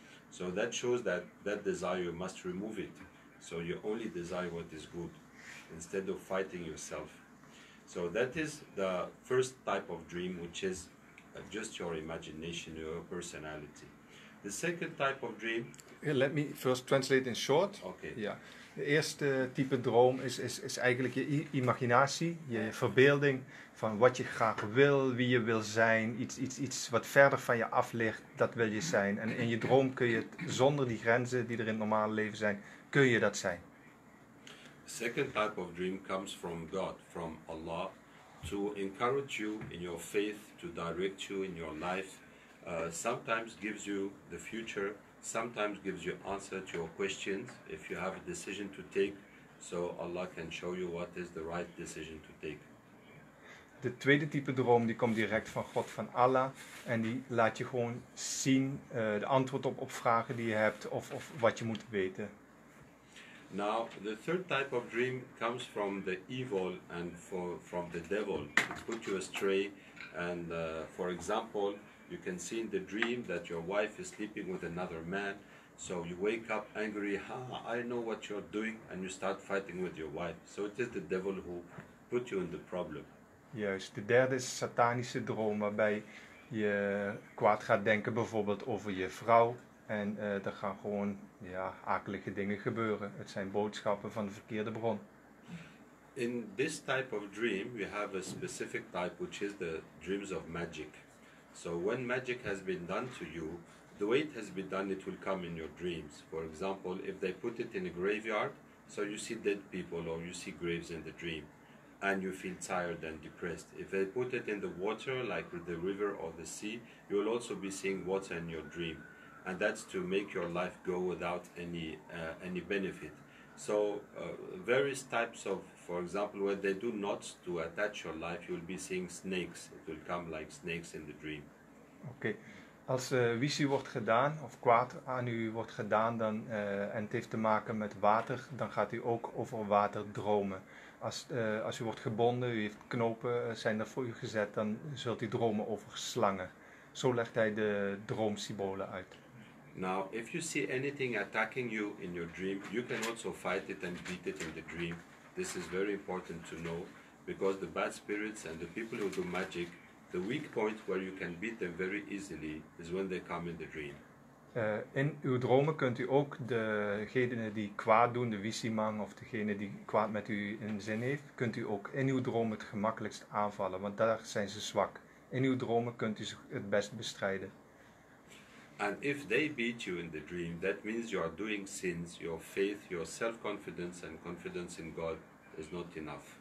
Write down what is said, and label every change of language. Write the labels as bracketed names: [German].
[English] So that shows that desire, you must remove it. So you only desire what is good, instead of fighting yourself. So that is the first type of dream, which is just your imagination, your personality. The second type of dream... Let me first translate in short. Okay. Yeah. [Dutch] De eerste type droom is eigenlijk je imaginatie, je verbeelding van wat je graag wil, wie je wil zijn, iets wat verder van je af ligt, dat wil je zijn. En in je droom kun je het zonder die grenzen die er in het normale leven zijn, kun je dat zijn. [English] The second type of dream comes from God, from Allah, to encourage you in your faith, to direct you in your life. Sometimes gives you the future. Sometimes gives you answer to your questions if you have a decision to take, so Allah can show you what is the right decision to take. [Dutch] De tweede type droom die komt direct van God, van Allah, en die laat je gewoon zien de antwoord op vragen die je hebt of wat je moet weten. [English] Now the third type of dream comes from the evil and from the devil. It puts you astray, and for example, you can see in the dream that your wife is sleeping with another man, so you wake up angry, I know what you're doing, and you start fighting with your wife. So it is the devil who put you in the problem. [Dutch] Juist, de derde is satanische droom waarbij je kwaad gaat denken bijvoorbeeld over je vrouw. En er gaan gewoon akelige dingen gebeuren. Het zijn boodschappen van de verkeerde bron. [English] In this type of dream, we have a specific type, which is the dreams of magic. So when magic has been done to you, the way it has been done, it will come in your dreams. For example, if they put it in a graveyard, so you see dead people or you see graves in the dream, and you feel tired and depressed. If they put it in the water, like with the river or the sea, you will also be seeing water in your dream. And that's to make your life go without any benefit. So various types of, for example, when they do knots to attach your life, you will be seeing snakes. It will come like snakes in the dream. Okay. [Dutch] Als visie wordt gedaan, of kwaad aan u wordt gedaan, dan, en het heeft te maken met water, dan gaat u ook over water dromen. Als u wordt gebonden, u heeft knopen, zijn er voor u gezet, dan zult u dromen over slangen. Zo legt hij de droomsymbolen uit. [English] Now, if you see anything attacking you in your dream, you can also fight it and beat it in the dream. This is very important to know, because the bad spirits and the people who do magic, the weak point where you can beat them very easily is when they come in the dream. [Dutch] In uw dromen kunt u ook degene die kwaad doen, de visimang of degene die kwaad met u in zin heeft, kunt u ook in uw droom het gemakkelijkst aanvallen, want daar zijn ze zwak. In uw dromen kunt u ze het best bestrijden. [English] And if they beat you in the dream, that means you are doing sins, your faith, your self-confidence and confidence in God is not enough.